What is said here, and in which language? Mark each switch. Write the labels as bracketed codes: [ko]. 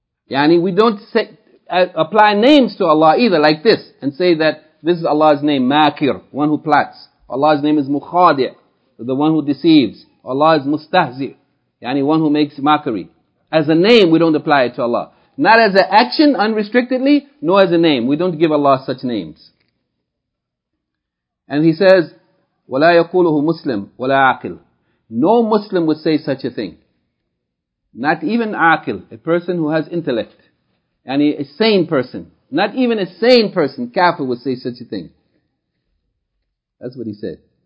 [en] Yani we don't say, apply names to Allah either like this, and say that this is Allah's name, Makir, one who plots. Allah's name is Mukhadi', the one who deceives. Allah is Mustahzi', yani one who makes mockery. As a name, we don't apply it to Allah. Not as an action, unrestrictedly, nor as a name. We don't give Allah such names. And he says, [ar] وَلَا يَقُولُهُ مُسْلِمٌ وَلَا عَقِلٌ. [en] No Muslim would say such a thing. Not even aqil, a person who has intellect. Yani a sane person. Not even a sane person, kafir, would say such a thing. That's what he said.